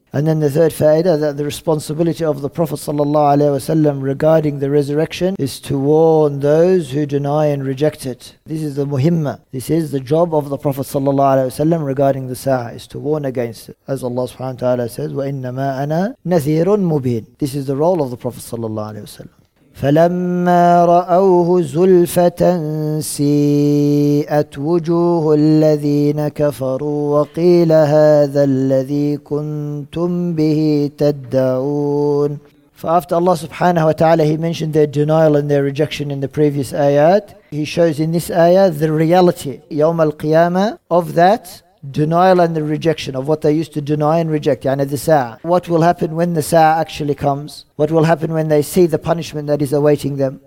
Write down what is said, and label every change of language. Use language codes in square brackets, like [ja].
[en] And then the third fa'idah, that the responsibility of the Prophet ﷺ regarding the resurrection is to warn those who deny and reject it. This is the muhimmah. This is the job of the Prophet ﷺ regarding the sa'ah, is to warn against it. As Allah subhanahu wa ta'ala says, [ar] وَإِنَّمَا أَنَا نَذِيرٌ مُبِينٌ. [en] This is the role of the Prophet ﷺ. [ar] فلما رأوه زلفة سيئت وجوه الذين كفروا وقيل هذا الذي كنتم به تدعون. [en] For after Allah subhanahu wa ta'ala, he mentioned their denial and their rejection in the previous ayat, he shows in this ayah the reality, [ar] يوم القيامة, [en] of that denial and the rejection of what they used to deny and reject, يعني the sa'ah. What will happen when the sa'ah actually comes? What will happen when they see the punishment that is awaiting them?